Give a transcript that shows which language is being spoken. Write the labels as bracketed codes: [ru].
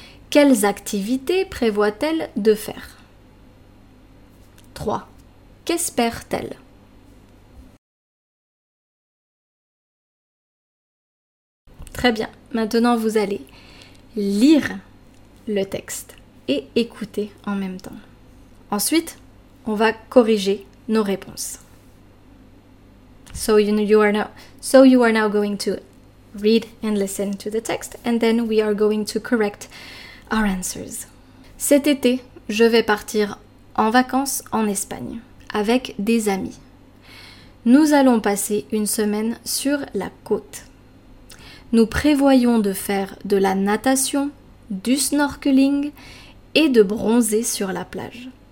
[fr] Quelles activités prévoit-elle de faire? 3. Qu'espère-t-elle? Très bien, maintenant vous allez lire le texte et écouter en même temps. Ensuite, on va corriger nos réponses. [en] So you are now going to read and listen to the text and then we are going to correct our answers. [fr] Cet été, je vais partir en vacances en Espagne avec des amis. Nous allons passer une semaine sur la côte. Nous prévoyons de faire de la natation, du snorkeling et de bronzer sur la plage.